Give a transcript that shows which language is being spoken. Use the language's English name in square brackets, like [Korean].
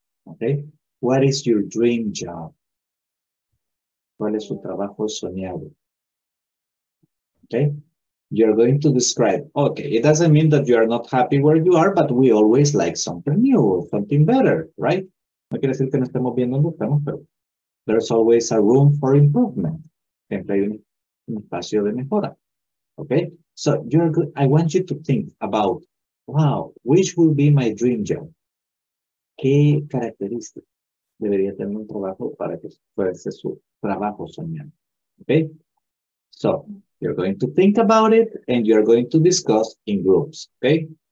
[English] Okay, what is your dream job? [Spanish] ¿Cuál es su trabajo soñado? [English] Okay. You're going to describe. Okay, it doesn't mean that you are not happy where you are, but we always like something new, something better, right? [Spanish] No quiere decir que no estemos viendo donde estamos, pero [English] there's always a room for improvement. [Spanish] Siempre hay un espacio de mejora. [English] Okay, so you're good. I want you to think about, wow, which will be my dream job? [Spanish] ¿Qué características debería tener un trabajo para que fuese su trabajo soñado? [English] Okay, so you're going to think about it and you're going to discuss in groups, okay?